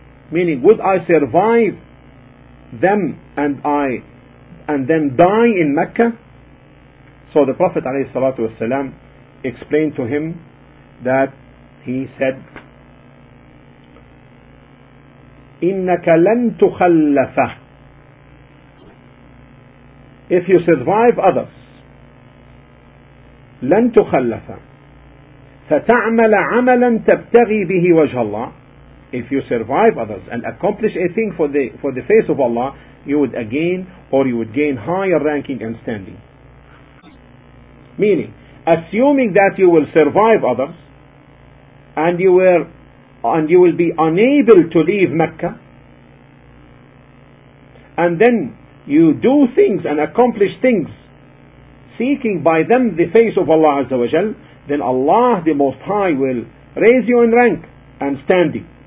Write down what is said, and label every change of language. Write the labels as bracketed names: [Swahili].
[English] Meaning, would I survive them and then die in Mecca? So the Prophet عليه الصلاة والسلام explained to him that he said, [Arabic] إِنَّكَ لَن تُخَلَّفَ. [English] If you survive others, [Arabic] لَن تُخَلَّفَ فَتَعْمَلَ عَمَلًا تَبْتَغِي بِهِ وَجْهَ اللَّهِ. [English] If you survive others and accomplish a thing for the face of Allah, you would again, or you would gain higher ranking and standing. Meaning, assuming that you will survive others, And you will be unable to leave Mecca, and then you do things and accomplish things seeking by them the face of Allah Azza wa Jal, then Allah the Most High will raise you in rank and standing.